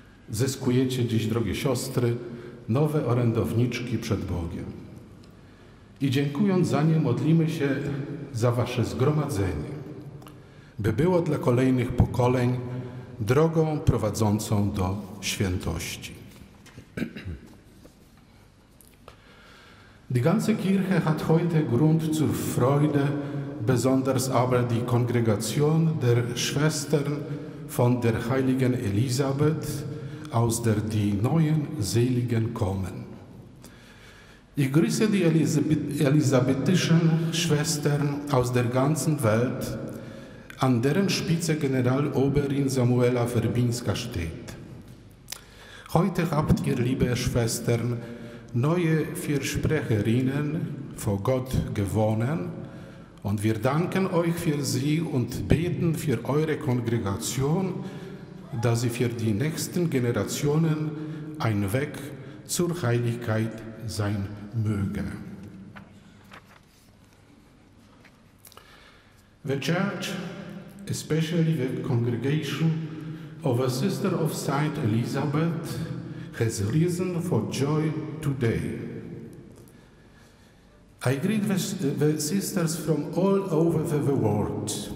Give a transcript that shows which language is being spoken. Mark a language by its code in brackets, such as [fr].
[pl] Zyskujecie dziś, drogie siostry, nowe orędowniczki przed Bogiem. I dziękując za nie, modlimy się za wasze zgromadzenie, by było dla kolejnych pokoleń drogą prowadzącą do świętości. [de] Die ganze Kirche hat heute Grund zur Freude, besonders aber die Kongregation der Schwestern von der heiligen Elisabeth, aus der die neuen Seligen kommen. Ich grüße die elisabethischen Schwestern aus der ganzen Welt, an deren Spitze Generaloberin Samuela Werbińska steht. Heute habt ihr, liebe Schwestern, neue Fürsprecherinnen vor Gott gewonnen und wir danken euch für sie und beten für eure Kongregation, dass sie für die nächsten Generationen ein Weg zur Heiligkeit sein möge. [en] The Church, especially the congregation of a sister of Saint Elizabeth, has reason for joy today. I greet the sisters from all over the world.